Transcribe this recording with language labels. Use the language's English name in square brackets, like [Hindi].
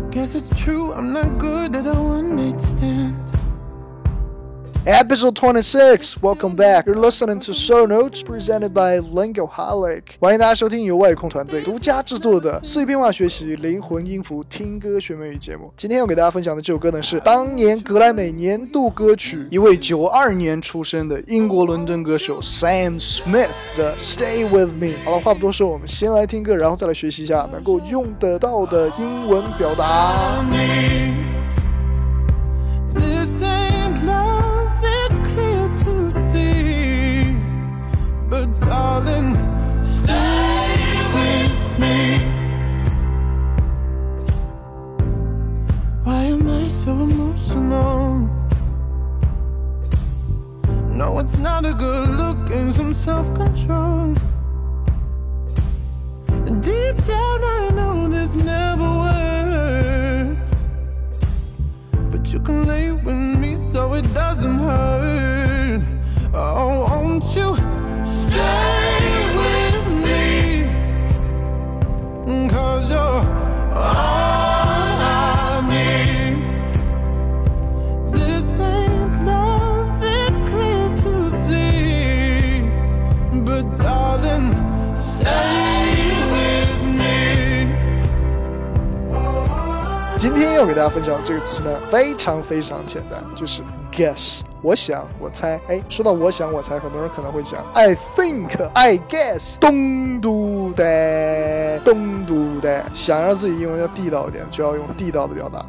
[English] Guess it's true, I'm not good, I don't understand. Episode 26, welcome back. You're listening to Show Notes presented by Lingoholic. [Chinese] 欢迎大家收听由外控团队独家制作的碎片化学习灵魂音符听歌学美语节目。今天要给大家分享的这首歌呢，是当年格莱美年度歌曲，一位92年出生的英国伦敦歌手 Sam Smith 的 Stay With Me。好了，话不多说，我们先来听歌，然后再来学习一下能够用得到的英文表达。 [English] This ain't loveBut darling, stay with me. Why am I so emotional? No, it's not a good look and some self-control. Deep down I know this never works. But you can lay with me so it doesn't hurt. Oh, won't youStay with me, 'cause you're all I need. This ain't love, it's clear to see. But darling, stay with me. [Chinese] 今天要给大家分享的这个词呢，非常非常简单，就是 guess。我想我猜，哎，说到我想我猜，很多人可能会讲 [English] I think I guess， [Chinese] 东都的东都的，想让自己英文要地道一点，就要用地道的表达。